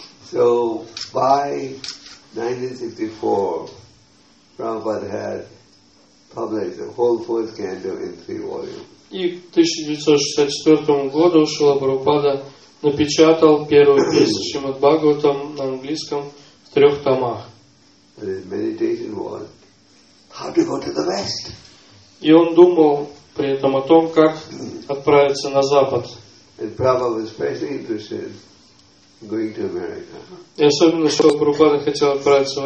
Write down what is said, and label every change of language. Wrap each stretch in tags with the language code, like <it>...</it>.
<en>So by 1954, Prabhupada had published the whole fourth canto in 3 volumes.</en> <ru>И к 1964 году Шрила Прабхупада напечатал первую песню Шримад Бхагаватам на английском в 3 томах.</ru> <en>His meditation was how to go to the West.</en> <ru>И он думал при этом о том, как отправиться на Запад. И особенно, что Прабхупада хотел отправиться в</ru>